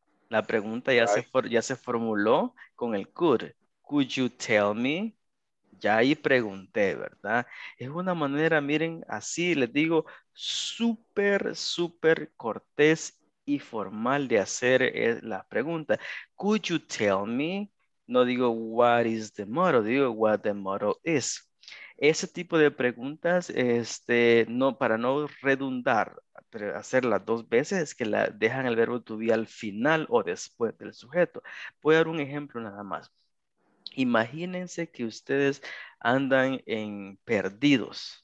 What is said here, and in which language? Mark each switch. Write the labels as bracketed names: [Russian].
[Spanish] La pregunta ya se formuló con el could. [English] Could you tell me? [Spanish] Ya ahí pregunté, ¿verdad? Es una manera, miren, así les digo, súper, súper cortés y formal de hacer la pregunta. [English] Could you tell me? [Spanish] No digo [English] what is the motto, [Spanish] digo [English] what the motto is. [Spanish] Ese tipo de preguntas, no, para no redundar, hacerlas dos veces, es que la dejan el verbo to be al final o después del sujeto. Voy a dar un ejemplo nada más. Imagínense que ustedes andan en perdidos.